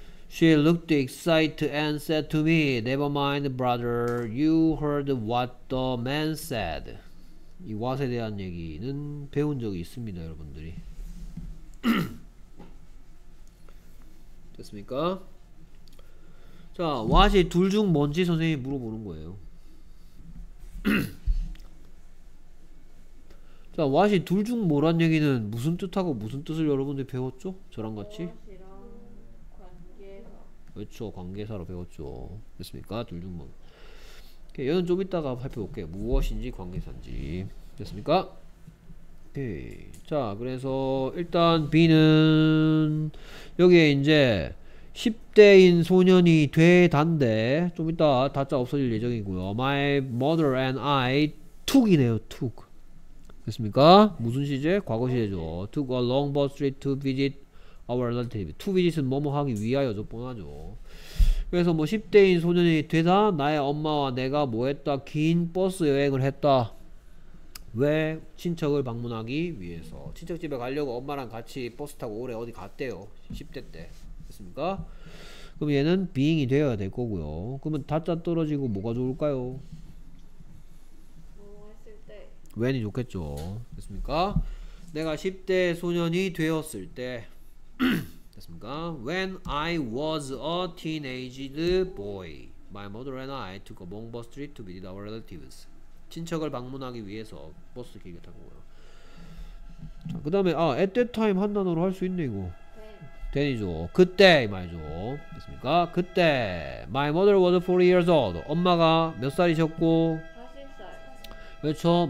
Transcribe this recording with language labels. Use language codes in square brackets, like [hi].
[en] She looked excited and said to me, "Never mind, brother. You heard what the man said." [ko] 이 what에 대한 얘기는 배운 적이 있습니다, 여러분들이. 됐습니까? 자, what이 둘 중 뭔지 선생님이 물어보는 거예요. 자, what이 둘 중 뭐란 얘기는 무슨 뜻하고 무슨 뜻을 여러분들이 배웠죠? 저랑 같이? 그렇죠, 관계사로 배웠죠. 됐습니까? 둘 중 뭐. 얘는 좀 이따가 살펴볼게요. 무엇인지 관계사인지. 됐습니까? 오케이. 자, 그래서 일단 B는 여기에 이제 10대인 소년이 되단데 좀 이따 다짜 없어질 예정이고요. [en] My mother and I took [ko] 이네요. Took. 됐습니까? 무슨 시제? 과거 시제죠. [en] Took a long bus trip to visit our relative. [ko] To visit은 뭐뭐 하기 위하여죠. 뻔하죠. 그래서 뭐 10대인 소년이 되다. 나의 엄마와 내가 뭐 했다. 긴 버스 여행을 했다. 왜? 친척을 방문하기 위해서. 친척 집에 가려고 엄마랑 같이 버스 타고 오래 어디 갔대요. 10대 때. 됐습니까? 그럼 얘는 being이 되어야 될 거고요. 그러면 다짜 떨어지고 뭐가 좋을까요? 왠이 좋겠죠. 됐습니까? 내가 10대 소년이 되었을 때. 됐습니까? [en] When I was a teenage boy, my mother and I took a long bus trip to visit our relatives. [ko] 친척을 방문하기 위해서 버스 길게 타고요. 자, 그 다음에 아, [en] at that time [ko] 한 단어로 할 수 있네 이거. 네. 된이죠. 그때 말이죠. 됐습니까? 그때 [en] my mother was 40 years old. [ko] 엄마가 몇 살이셨고? 그렇죠.